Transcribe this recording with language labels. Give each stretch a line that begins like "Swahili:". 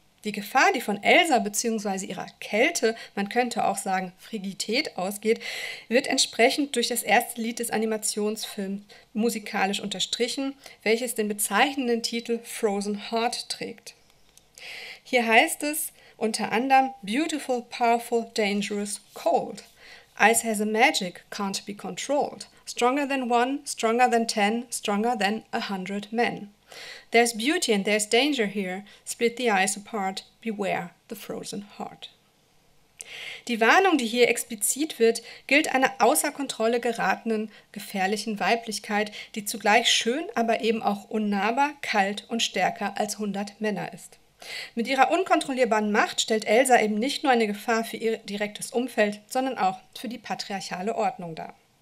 German: Die Gefahr, die von Elsa bzw. ihrer Kälte, man könnte auch sagen Frigidität, ausgeht, wird entsprechend durch das erste Lied des Animationsfilms musikalisch unterstrichen, welches den bezeichnenden Titel Frozen Heart trägt. Hier heißt es unter anderem
English: Beautiful, powerful, dangerous, cold. Ice has a magic, can't be controlled. Stronger than one, stronger than ten, stronger than a hundred men. There's beauty and there's danger here. Split the ice apart, beware the frozen heart.
German: Die Warnung, die hier explizit wird, gilt einer außer Kontrolle geratenen, gefährlichen Weiblichkeit, die zugleich schön, aber eben auch unnahbar, kalt und stärker als 100 Männer ist. Mit ihrer unkontrollierbaren Macht stellt Elsa eben nicht nur eine Gefahr für ihr direktes Umfeld, sondern auch für die patriarchale Ordnung dar.